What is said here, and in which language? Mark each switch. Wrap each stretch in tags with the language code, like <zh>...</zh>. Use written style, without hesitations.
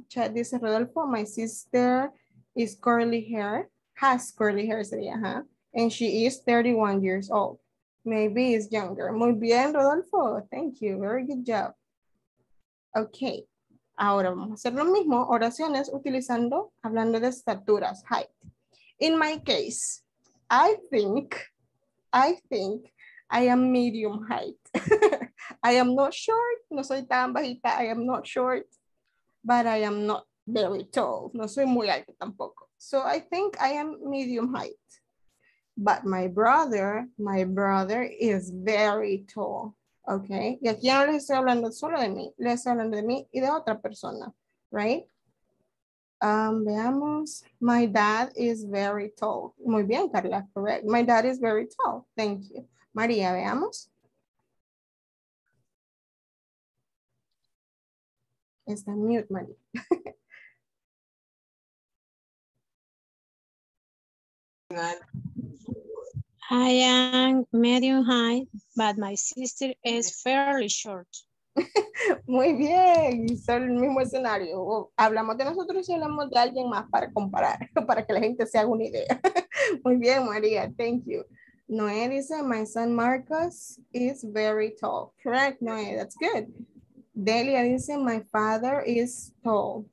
<es>Chat dice</es> <en>Rodolfo, my sister is curly hair, has curly hair</en> <es>sería,</es> <en>huh? And she is 31 years old. Maybe is younger.</en> <es>Muy bien,</es> <en>Rodolfo, thank you, very good job.</en> <es>Ok, ahora vamos a hacer lo mismo, oraciones utilizando, hablando de estaturas, height.</es> <en>In my case, I think I am medium height. I am not short,</en> <es>no soy tan bajita,</es> <en>I am not short, but I am not very tall,</en> <es>no soy muy alta tampoco.</es> <en>So I think I am medium height. But my brother is very tall.</en> <es>Okay, y aquí no les estoy hablando solo de mí, les estoy hablando de mí y de otra persona,</es> <en>right?</en> <es>Veamos,</es> <en>my dad is very tall.</en> <es>Muy bien,</es> <en>Carla, correct. My dad is very tall, thank you. María,</en> <es>veamos. Está mute, María.</es> <en>I am medium height, but my sister is fairly short.</en> <es>Muy bien, es el mismo escenario. Hablamos de nosotros y hablamos de alguien más para comparar, para que la gente se haga una idea. Muy bien,</es> <en>María, thank you. Noé</en> <es>dice,</es> <en>my son Marcos is very tall. Correct, Noé, that's good. Delia</en> <es>dice,</es> <en>my father is tall.</en>